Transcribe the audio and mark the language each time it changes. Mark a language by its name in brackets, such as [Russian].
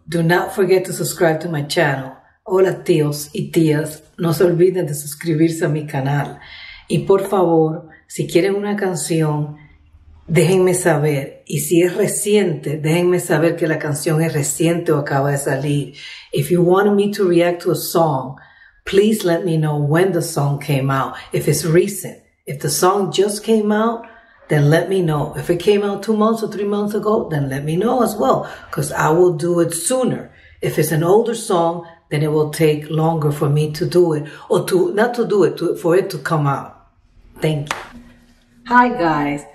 [English] Do not forget to subscribe to my channel. [Spanish] Hola tíos y tías, no se olviden de suscribirse a mi canal. Y por favor, si quieren una canción, déjenme saber. Y si es reciente, déjenme saber que la canción es reciente o acaba de salir. [English] If you want me to react to a song, please let me know when the song came out. If it's recent, if the song just came out, then let me know. If it came out 2 months or 3 months ago, then let me know as well, because I will do it sooner. If it's an older song, then it will take longer for me to do it, or to not to do it, to, for it to come out. Thank you. Hi, guys.